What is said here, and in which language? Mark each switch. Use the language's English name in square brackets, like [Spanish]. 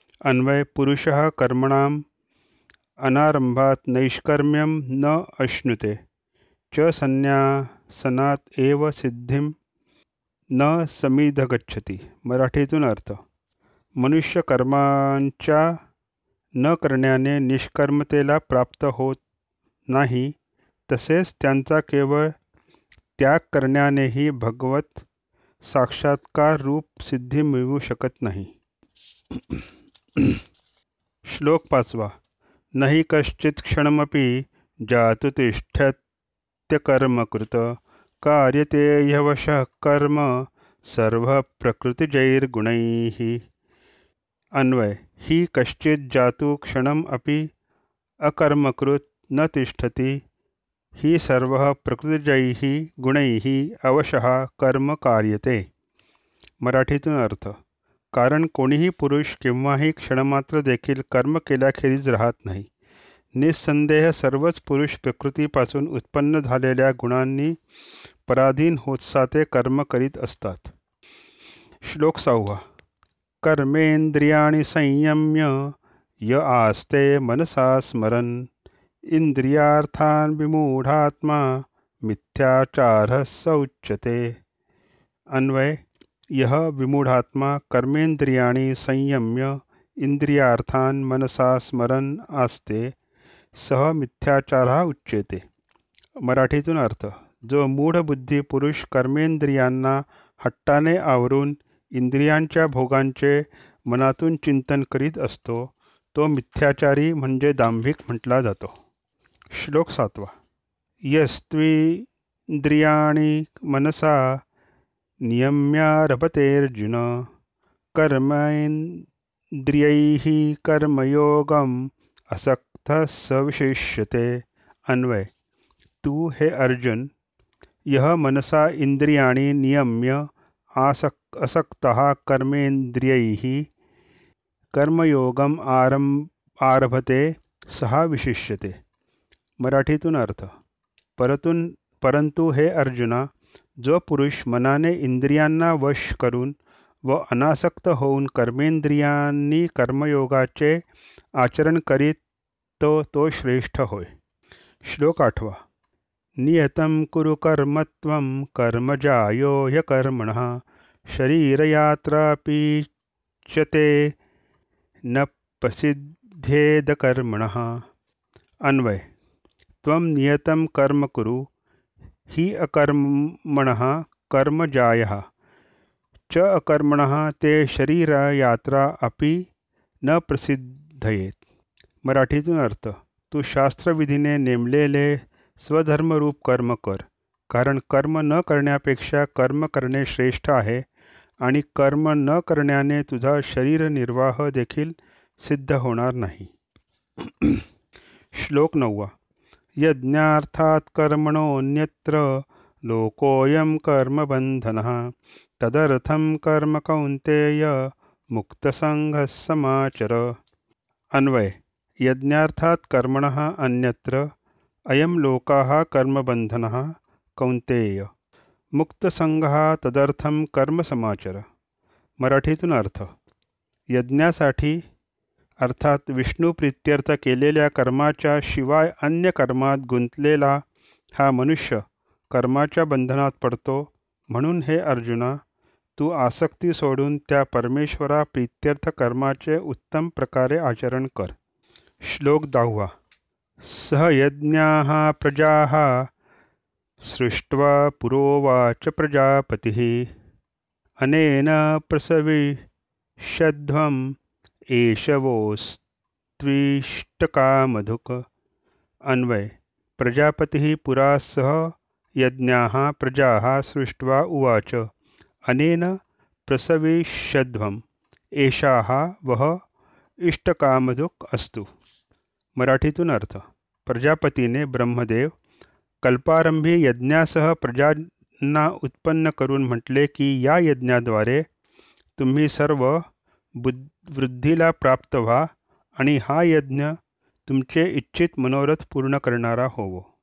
[Sanskrit] अन्वय, पुरुषः कर्मणां अनारंभात नैष्कर्म्यं न अश्नुते, च सन्न्यासनात एव सिद्धिं न समिधगच्छति। [Marathi] मराठीतून अर्थ, मनुष्य कर्मांच्या न करण्याने निष्कर्मतेला प्राप्त होत नाही, तसेच त्यांचा केवळ त्याग करण्यानेही भगवत साक्षात्कार रूप सिद्धी मिळवू शकत नाही। श्लोक पाचवा, [Sanskrit] नहि कश्चित् क्षणमपि जातु तिष्ठत्य कर्म कृत, कार्यते यवशः कर्म सर्व प्रकृतिजैर्गुणैः। अन्वय, हि कश्चित् जातु क्षणम् अपि अकर्मकृत् न तिष्ठति, हि सर्वः प्रकृतिजैः गुणैः अवशः कर्म कार्यते। [Marathi] मराठीतून अर्थ, कारण कोणीही पुरुष किंवाही क्षणमात्र देखील कर्म केल्याखेरीज राहत नाही। निस्संदेह सर्वच पुरुष प्रकृतीपासून उत्पन्न झालेल्या गुणांनी पराधीन होत्साते कर्म करीत असतात। श्लोक सहावा, [Sanskrit] कर्मेन्द्रियाणि संयम्य य आस्ते मनसा स्मरन्, इन्द्रियार्थान् विमूढात्मा मिथ्याचारः स उच्यते। अन्वय, यह विमूढात्मा कर्मेन्द्रियाणि संयम्य इन्द्रियार्थान् मनसा स्मरन् आस्ते, सह मिथ्याचारः उच्यते। [Marathi] मराठीतून अर्थ, जो मूढ बुद्धी पुरुष कर्मेन्द्रियांना हट्टाने आवरून इंद्रियांच्या भोगांचे मनातून चिंतन करीत असतो, तो मिथ्याचारी म्हणजे दांभिक म्हटला जातो। श्लोक सातवा, [Sanskrit] यस्त्विंद्रियाणि मनसा नियम्यारभतेर्जुन, कर्मेन्द्रियैः कर्मयोगम् असक्तः स विशिष्यते। अन्वय, तू हे अर्जुन, यह मनसा इंद्रियाणि नियम्य असक्तः कर्मेन्द्रियैः कर्मयोगम आरभते सहा विशिष्यते। [Marathi] मराठीतून अर्थ। परंतु हे अर्जुना, जो पुरुष मनाने इंद्रियांना वश करून व अनासक्त होऊन कर्मेंद्रियांनी कर्मयोगाचे आचरण करीत तो श्रेष्ठ होय। श्लोक आठवा। [Sanskrit] नियतं कुरु कर्मत्वं कर्मजायो य कर्मणः शरीरयात्रापि चते न प्रसिद्धेद कर्मणः। अन्वय। त्वं नियतं कर्म कुरु, ही अकर्मणः कर्मजायः च अकर्मणः ते शरीरयात्रा अपि न प्रसिद्धयेत। [Marathi] मराठीतून अर्थ। तू शास्त्रविधीने नेमलेले स्वधर्मरूप कर्म कर, कारण कर्म न करण्यापेक्षा कर्म करणे श्रेष्ठ आहे आणि कर्म न करण्याने तुझा शरीर निर्वाह देखील सिद्ध होणार नाही। श्लोक नववा। [Sanskrit] यज्ञार्थात कर्मणोऽन्यत्र लोकोऽयं कर्मबन्धनः तदर्थं कर्म कौन्तेय मुक्तसङ्घः समाचर। अन्वय। यज्ञार्थात कर्मणः अन्यत्र अयं लोकाः कर्मबन्धनः कौन्तेय मुक्तसङ्घः तदर्थं कर्मसमाचर। [Marathi] मराठीतून अर्थ। यज्ञासाठी अर्थात विष्णुप्रीत्यर्थ केलेल्या कर्माच्या शिवाय अन्य कर्मात गुंतलेला हा मनुष्य कर्माच्या बंधनात पडतो, म्हणून हे अर्जुना, तू आसक्ती सोडून त्या परमेश्वरा प्रीत्यर्थ कर्माचे उत्तम प्रकारे आचरण कर। श्लोक दहावा। [Sanskrit] सहयज्ञाः प्रजाः सृष्ट्वा पुरोवाच प्रजापतिः अनेन प्रसविषध्वम् एषवोस्त्विष्टका मधुक। अन्वय। प्रजापतिः पुरासह यज्ञाः प्रजाः सृष्ट्वा उवाच अनेन प्रसविषध्वम् एषाः वह इष्टका मधुक अस्तु। [Marathi] मराठीतून अर्थ। प्रजापतीने ब्रह्मदेव कल्पारंभी यज्ञासह प्रजांना उत्पन्न करून म्हटले की या यज्ञाद्वारे तुम्ही सर्व वृद्धीला प्राप्त व्हा आणि हा यज्ञ तुमचे इच्छित मनोरथ पूर्ण करणारा होवो।